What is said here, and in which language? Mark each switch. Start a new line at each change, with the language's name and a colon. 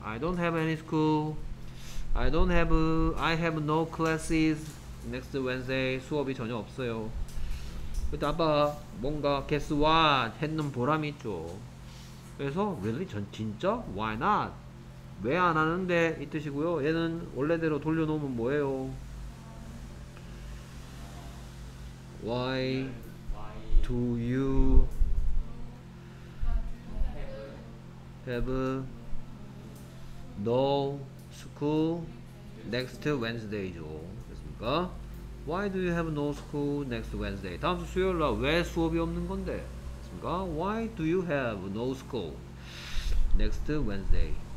English: I don't have any school. I have no classes. Next Wednesday.
Korean: 수업이 전혀 없어요. 그때 아빠 뭔가
English: guess what?
Korean: 했는 보람이 있죠. 그래서
English: really?
Korean: 전 진짜?
English: Why not?
Korean: 왜 안 하는데? 이 뜻이고요. 얘는 원래대로 돌려놓으면 뭐예요?
English: Why do you have no school next Wednesday죠?
Korean: 됐습니까?
English: Why do you have no school next Wednesday?
Korean: 다음 주 수요일 날 왜 수업이 없는 건데? 됐습니까?
English: Why do you have no school next Wednesday?